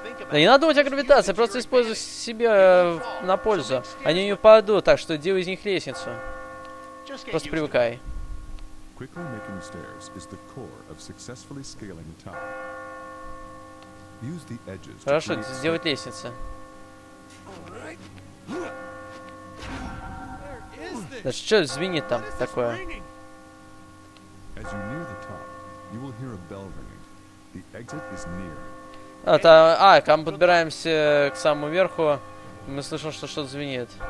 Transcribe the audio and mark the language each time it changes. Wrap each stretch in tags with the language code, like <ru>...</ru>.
<ru>Да не надо думать о гравитации, просто используй себе на пользу. Они не упадут, так что делай из них лестницу. Просто привыкай.</ru> <en>Quickly making stairs is the core of successfully scaling time. Use the edges.</en> <ru>Хорошо, сделать лестницу. Да что звенит там такое?</ru> <en>As you near the top, you will hear a bell ringing. The exit is near.</en> <ru>А, когда мы подбираемся к самому верху, мы слышим, что что-то звенит.</ru>